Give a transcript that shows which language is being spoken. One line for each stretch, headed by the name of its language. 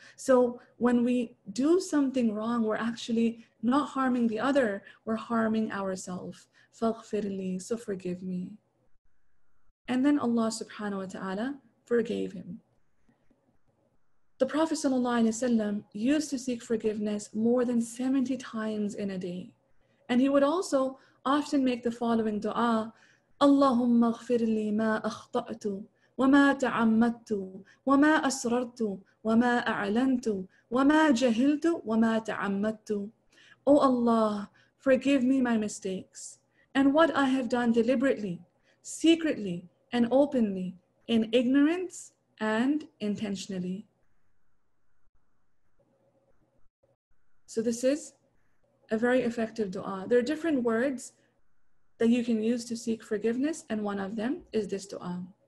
English: So when we do something wrong, we're actually not harming the other, we're harming ourselves.
Arabic: فَغْفِرْ لِي,
English: so forgive me. And then Allah subhanahu wa ta'ala forgave him. The Prophet sallallahu alayhi wa sallam used to seek forgiveness more than 70 times in a day. And he would also often make the following dua,
Arabic: اللهم اغفر لي ما أخطأت وما تعمدت وما أسررت وما أعلنت وما جهلت وما تعمدت.
English: O Allah, forgive me my mistakes and what I have done deliberately, secretly, and openly, in ignorance and intentionally. So this is a very effective dua. There are different words that you can use to seek forgiveness, and one of them is this dua.